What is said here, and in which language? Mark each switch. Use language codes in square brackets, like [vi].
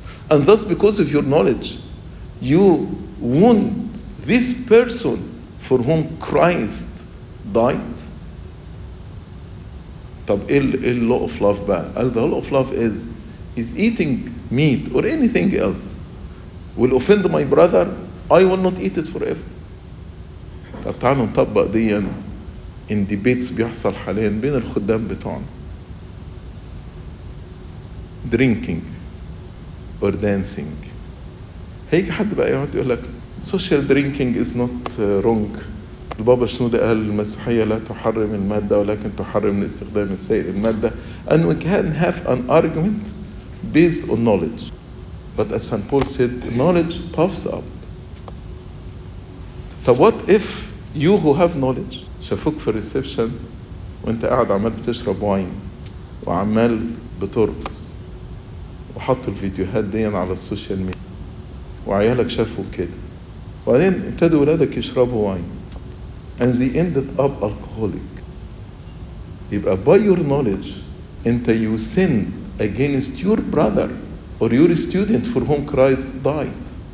[en] And thus, because of your knowledge, you wound this person for whom Christ died? طب إيه law of love بقى؟ The law of love is eating meat or anything else will offend my brother, I will not eat it forever. [ar] طب تعالوا نطبق دي in debates بيحصل حاليا بين الخدام بتوعنا. [en] Drinking or dancing. هيك حد بقى يقعد يقول لك social drinking is not wrong. [ar] البابا شنودة قال المسيحية لا تحرم المادة ولكن تحرم استخدام السائل المادة. [en] And we can have an argument based on knowledge. But as St. Paul said, knowledge puffs up. [ar] So what if you who have knowledge شافوك في الريسبشن وانت قاعد عمال بتشرب واين وعمال بترقص وحطوا الفيديوهات دي على السوشيال ميديا وعيالك شافوا كده وبعدين ابتدوا ولادك يشربوا واين and they ended up alcoholic، يبقى by your knowledge انت you sin against your brother or your student for whom Christ died.